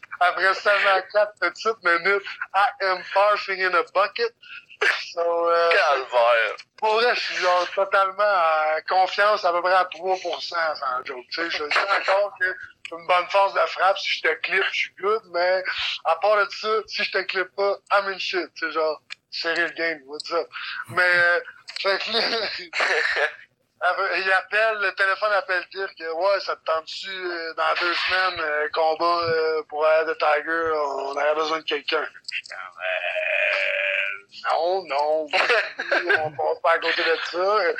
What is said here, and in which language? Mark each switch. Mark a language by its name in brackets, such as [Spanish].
[French] Après seulement 4 petites minutes, [English] I am barfing in a bucket. So, [French] calvaire. Pour vrai, je suis genre totalement à confiance à peu près à 3%, sans joke. Tu sais, je dis encore que j'ai une bonne force de frappe. Si je te clip, je suis good. Mais à part de ça, si je te clip pas, [English] I'm in shit. [French] Tu sais, genre, serial game, [English] what's up? [French] Mais, fait que il appelle, le téléphone appelle dire que ouais, ça te tente-tu dans deux semaines, combat pour Eye of the Tiger, on aurait besoin de quelqu'un. Non, on passe pas à côté de ça.